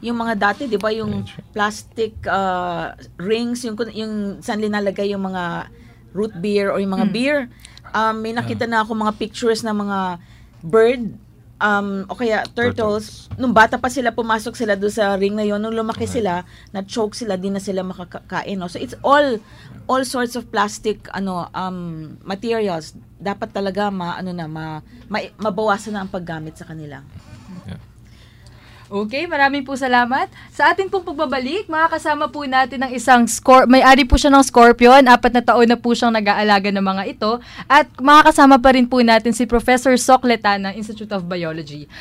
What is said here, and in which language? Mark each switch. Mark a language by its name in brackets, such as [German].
[Filipino] Yung mga dati, di ba, yung plastic rings, yung saan linalagay yung mga root beer o yung mga beer. May nakita na ako mga pictures ng mga bird o kaya turtles, nung bata pa sila, pumasok sila doon sa ring na yon, nung lumaki sila, na-choke sila, din na sila makakain. [English] No? So it's all sorts of plastic materials. [Filipino] Dapat talaga mabawasan na ang paggamit sa kanila. Okay, maraming po salamat. Sa atin pong pagbabalik, makakasama po natin ang isang may-ari po siya ng scorpion. 4 na taon na po siyang nag-aalaga ng mga ito. At makakasama pa rin po natin si Professor Sok Letan ng Institute of Biology.